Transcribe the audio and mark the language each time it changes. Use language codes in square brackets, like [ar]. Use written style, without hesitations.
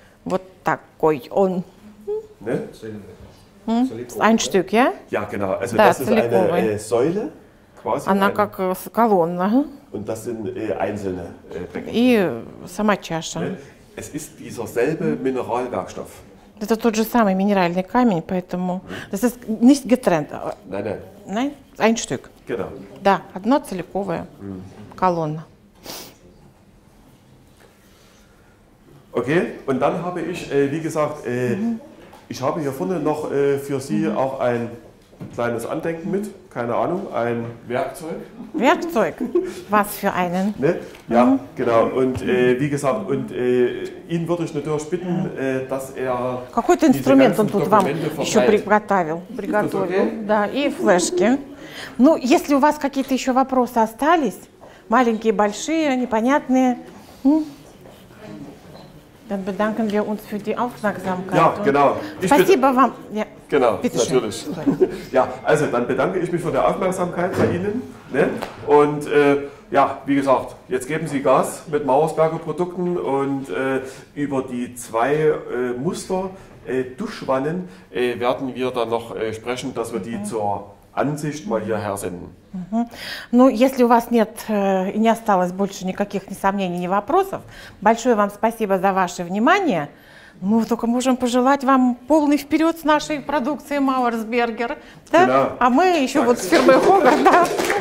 [ru] Вот такой он. [de] Ne? Ein Stück, ja? Ja, genau. Also das ist eine Säule. Quasi [ru] она ein... как колонна. [de] Und das sind einzelne [ru] Becken. И сама чаша. Ne? [de] Es ist dieser selbe Mineralwerkstoff. [ru] Это тот же самый минеральный камень, поэтому... [de] Das ist nicht getrennt. Nein, nein. Nein? Ein Stück. Genau. [ru] Да, одно целиковое колонна. [de] Okay, und dann habe ich, wie gesagt, ich habe hier vorne noch für Sie auch ein kleines Andenken mit, keine Ahnung, ein Werkzeug. Werkzeug? Was für einen? Ne? Ja, genau. Und wie gesagt, und ihn würde ich natürlich bitten, dass er. [ru] Какой-то инструмент он тут вам еще приготовил. Да, и флешки. Ну, если у вас какие-то еще вопросы остались, маленькие, большие, непонятные. [de] Dann bedanken wir uns für die Aufmerksamkeit. Ja, genau. Ja. Genau, natürlich. Ja, also dann bedanke ich mich für die Aufmerksamkeit bei Ihnen. Ne? Und Ja, wie gesagt, jetzt geben Sie Gas mit Mauersberger Produkten und über die zwei Muster Duschwannen werden wir dann noch sprechen, dass wir die zur Ansicht mal hierher senden. [ru] Ну, если у вас нет и не осталось больше никаких ни сомнений, ни вопросов, большое вам спасибо за ваше внимание. Мы только можем пожелать вам полный вперед с нашей продукцией Mauersberger. Да? Genau. А мы еще так. Вот с фирмой Hogarth. Да?